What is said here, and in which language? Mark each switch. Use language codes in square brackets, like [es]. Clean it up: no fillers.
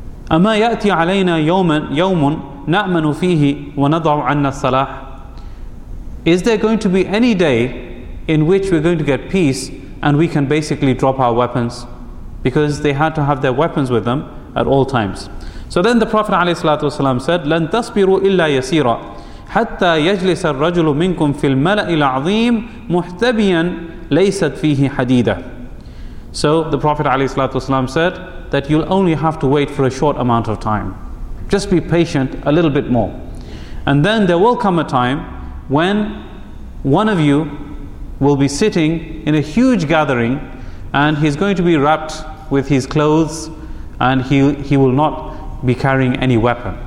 [ar] أَمَا يَأْتِي عَلَيْنَا يَوْمٌ نَأْمَنُ فِيهِ وَنَضَعُ عَنَّا الصَّلَاحِ. [en] Is there going to be any day in which we're going to get peace and we can basically drop our weapons? Because they had to have their weapons with them at all times. So then the Prophet ﷺ said, [ar] لَنْ تَصْبِرُوا إِلَّا يَسِيرًا حَتَّى يَجْلِسَ الرَّجُلُ مِنْكُمْ فِي الْمَلَأِ الْعَظِيمِ مُحْتَبِيًا لَيْسَتْ فِيهِ حَدِيدًا. [en] So the Prophet ﷺ said that you'll only have to wait for a short amount of time. Just be patient a little bit more. And then there will come a time when one of you will be sitting in a huge gathering and he's going to be wrapped with his clothes and he will not be carrying any weapon.